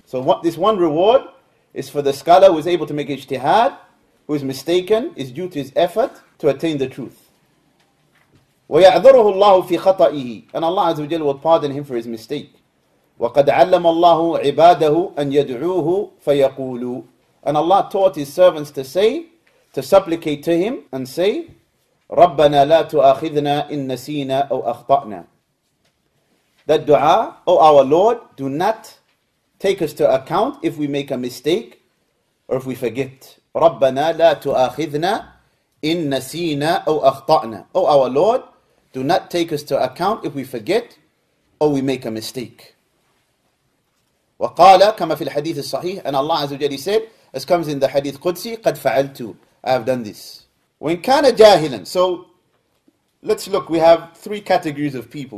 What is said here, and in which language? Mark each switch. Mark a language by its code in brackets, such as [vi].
[en] So what this one reward is for the scholar who is able to make ijtihad, who is mistaken, is due to his effort to attain the truth. [ar] وَيَعْذُرُهُ اللَّهُ فِي خَطَئِهِ. [en] And Allah Azza wa Jalla will pardon him for his mistake. [ar] وَقَدْ عَلَّمَ اللَّهُ عِبَادَهُ أَنْ يَدْعُوهُ فَيَقُولُ. [en] And Allah taught his servants to say, to supplicate to him and say, [ar] ربنا لا تؤاخذنا إن نسينا أو أخطأنا. [en] That dua, oh our Lord, do not take us to account if we make a mistake or if we forget. [ar] ربنا لا تؤاخذنا إن نسينا أو أخطأنا. [en] Oh our Lord, do not take us to account if we forget or we make a mistake. [ar] وقال كما في الحديث الصحيح, [en] and Allah عز وجل said, as comes in the hadith Qudsi, [ar] قد فعلت, [en] I have done this. [ar] وإن كان جاهلا, [en] so let's look, we have three categories of people.